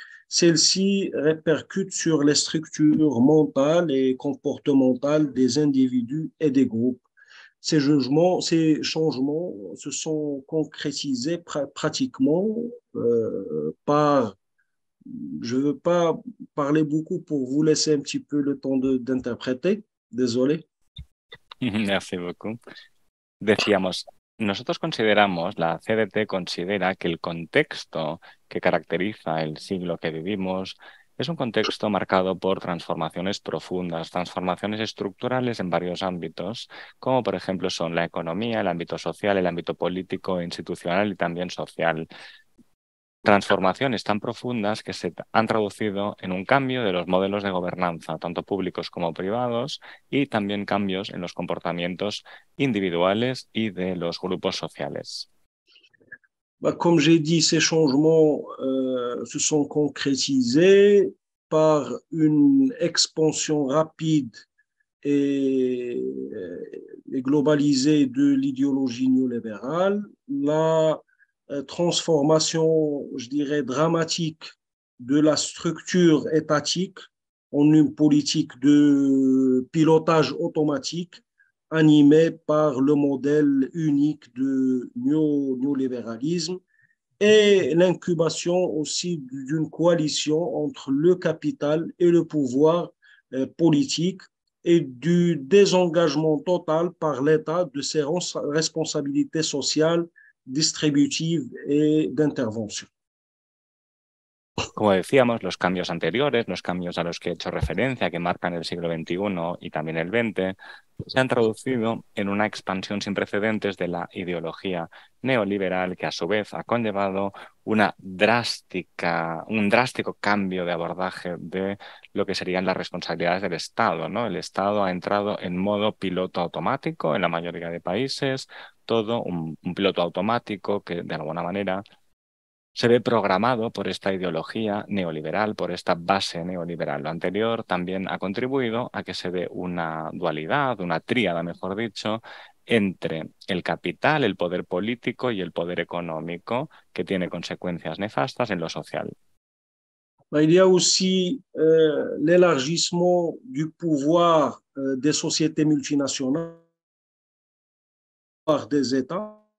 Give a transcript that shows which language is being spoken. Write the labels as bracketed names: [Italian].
[French] Celle-ci répercute sur les structures mentales et comportementales des individus et des groupes. Ces jugements, ces changements se sont concrétisés pratiquement par, je ne veux pas parler beaucoup pour vous laisser un petit peu le temps d'interpréter, désolé. Merci beaucoup. [Spanish] Decíamos, nosotros consideramos, la CDT considera que el contexto que caracteriza el siglo que vivimos es un contexto marcado por transformaciones profundas, transformaciones estructurales en varios ámbitos, como por ejemplo son la economía, el ámbito social, el ámbito político, institucional y también social. Transformaciones tan profundas que se han traducido en un cambio de los modelos de gobernanza, tanto públicos como privados, y también cambios en los comportamientos individuales y de los grupos sociales. [French] Comme j'ai dit, ces changements se sont concrétisés par une expansion rapide et globalisée de l'idéologie néolibérale. La transformation, je dirais, dramatique de la structure étatique en une politique de pilotage automatique animé par le modèle unique de néolibéralisme et l'incubation aussi d'une coalition entre le capital et le pouvoir politique et du désengagement total par l'État de ses responsabilités sociales, distributives et d'intervention. [Spanish] Como decíamos, los cambios anteriores, los cambios a los que he hecho referencia, que marcan el siglo XXI y también el XX, se han traducido en una expansión sin precedentes de la ideología neoliberal, que a su vez ha conllevado un drástico cambio de abordaje de lo que serían las responsabilidades del Estado, ¿no? El Estado ha entrado en modo piloto automático en la mayoría de países, todo un piloto automático que de alguna manera se ve programado por esta ideología neoliberal, por esta base neoliberal. Lo anterior también ha contribuido a que se dé una dualidad, una tríada, mejor dicho, entre el capital, el poder político y el poder económico, que tiene consecuencias nefastas en lo social. [French] Il y a aussi l'élargissement du pouvoir des sociétés multinationales par des États.